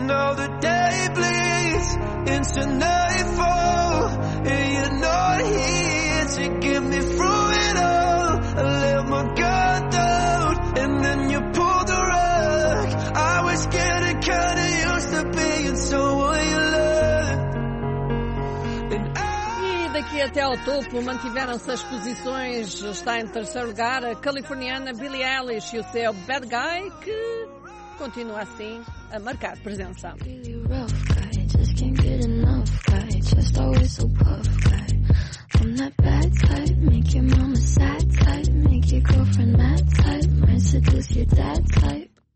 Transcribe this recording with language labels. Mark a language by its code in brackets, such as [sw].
[en] Now the day bleeds into nightfall, and you're not here to get me through it all. I let my guard down, and then you pulled the rug. I was getting kinda used to being someone you love. [pt] E daqui até ao topo mantiveram-se as posições. Está em terceiro lugar a californiana Billie Eilish e o seu Bad Guy, que continua assim a marcar presença. [en] Good enough guy, just always so puff guy. I'm that bad type, make your mama sad type, make your girlfriend mad type, might seduce your dad type.